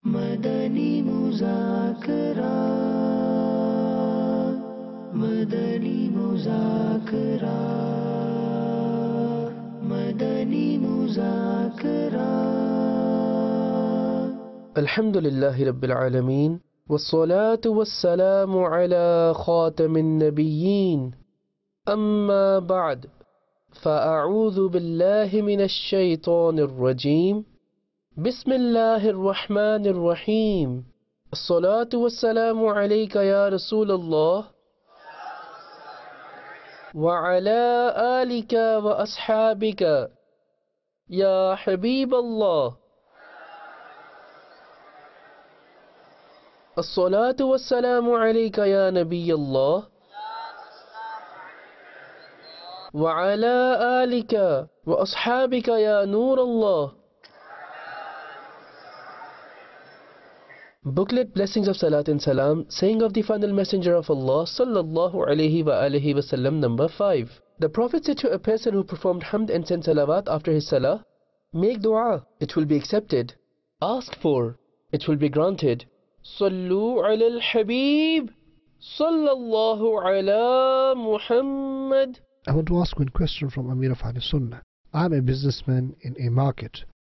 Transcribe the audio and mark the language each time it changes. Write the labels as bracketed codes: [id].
[ur] مدنی مذاکرات مدنی مذاکرات مدنی مذاکرات [ar] الحمد لله رب العالمين والصلاة والسلام على خاتم النبيين أما بعد فأعوذ بالله من الشيطان الرجيم بسم الله الرحمن الرحيم الصلاة والسلام عليك يا رسول الله وعلى آلك وأصحابك يا حبيب الله الصلاة والسلام عليك يا نبي الله وعلى آلك وأصحابك يا نور الله [en] Booklet Blessings of Salat and Salam, saying of the final messenger of Allah [ar] sallallahu alayhi wa alayhi wa sallam, [en] number 5. The Prophet said to a person who performed hamd and sent salawat after his salah, Make dua, it will be accepted. Ask for, it will be granted. [ar] Sallu ala al-habib, sallallahu ala Muhammad. [en] I want to ask one question from Amir of Al-Sunnah. I am a businessman in a market.